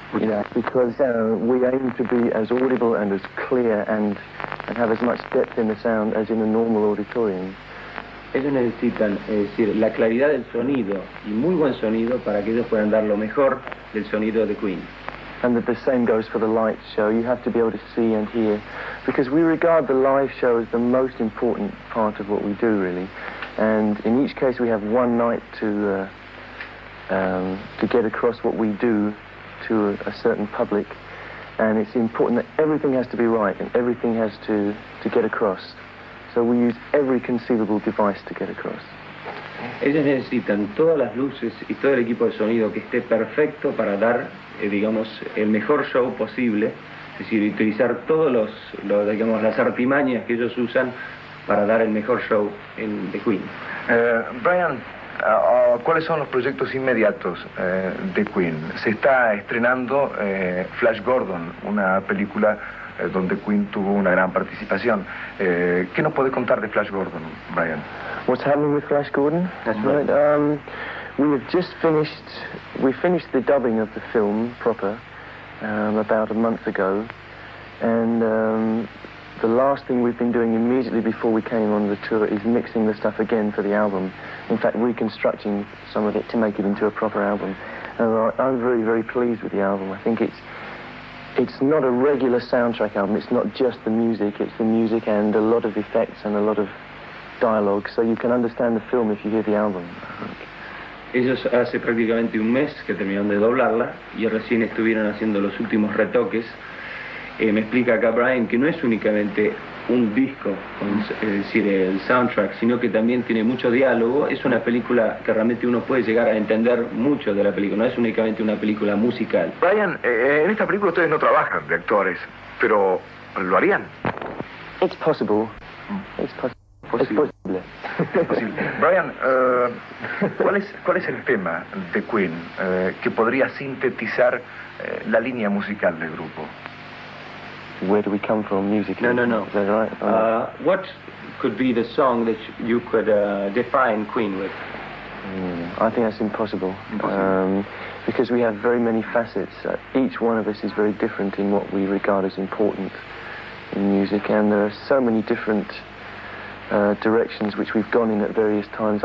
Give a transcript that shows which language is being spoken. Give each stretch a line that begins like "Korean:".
English: Yeah, because we aim to be as audible and as clear and have as much depth in the sound as in a normal auditorium.
Spanish: Ellos necesitan, es decir, la claridad del sonido y muy buen sonido para que ellos puedan dar lo mejor del sonido de Queen.
English: And that the same goes for the light show. You have to be able to see and hear, because we regard the live show as the most important part of what we do, really. And in each case, we have one night to get across what we do to a certain public, and it's important that everything has to be right and everything has to get across. So we use every conceivable device to get across.
Spanish: Ellos necesitan todas las luces y todo el equipo de sonido que esté perfecto para dar, digamos, el mejor show posible, es decir, utilizar todos los digamos, las artimañas que ellos usan para dar el mejor show en The Queen. Brian, ¿cuáles son los proyectos inmediatos de Queen? Se está estrenando Flash Gordon, una película donde Queen tuvo una gran participación. ¿Qué nos puede contar de Flash Gordon, Brian?
English: What's happening with Flash Gordon? That's right. We finished the dubbing of the film proper about a month ago, and the last thing we've been doing immediately before we came on the tour is mixing the stuff again for the album. In fact, reconstructing some of it to make it into a proper album. And I'm very, very pleased with the album. I think it's not a regular soundtrack album. It's not just the music. It's the music and a lot of effects and a lot of dialogue. So you can understand the film if you hear the album.
Spanish: Ellos hace prácticamente un mes que terminaron de doblarla y recién estuvieron haciendo los últimos retoques. Me explica acá Brian que no es únicamente un disco, es decir, el soundtrack, sino que también tiene mucho diálogo. Es una película que realmente uno puede llegar a entender mucho de la película, no es únicamente una película musical. Brian, en esta película ustedes no trabajan de actores, pero ¿lo harían?
English: It's possible. It's possible.
Spanish: Brian, ¿cuál es el tema de Queen que podría sintetizar la línea musical del grupo?
English: Where do we come from musically? No. Is that right? What could be the song that you could define Queen with? I think that's impossible. Because we have very many facets. Each one of us is very different in what we regard as important in music, and there are so many different directions which we've gone in at various times.